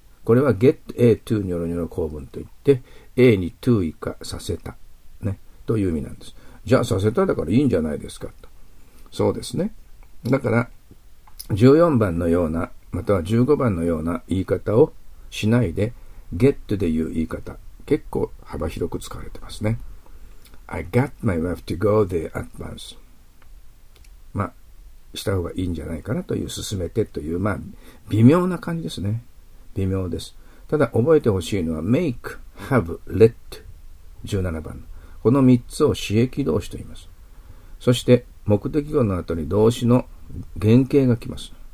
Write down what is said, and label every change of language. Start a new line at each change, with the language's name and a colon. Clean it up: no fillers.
Japanese: これは get A to ニョロニョロ構文といって、A に to 以下させた、ね、という意味なんです。じゃあさせただからいいんじゃないですかと。そうですね。だから、14番のような、または15番のような言い方をしないで、get で言う言い方、結構幅広く使われてますね。
English: I got my wife to go there at once。
Japanese: まあ、した方がいいんじゃないかなという、進めてという、まあ、微妙な感じですね。微妙です。ただ、覚えてほしいのは、make, have, let、17番。ここの3つを使役動詞と言います。そして目的語の後に動詞の原形が来ます。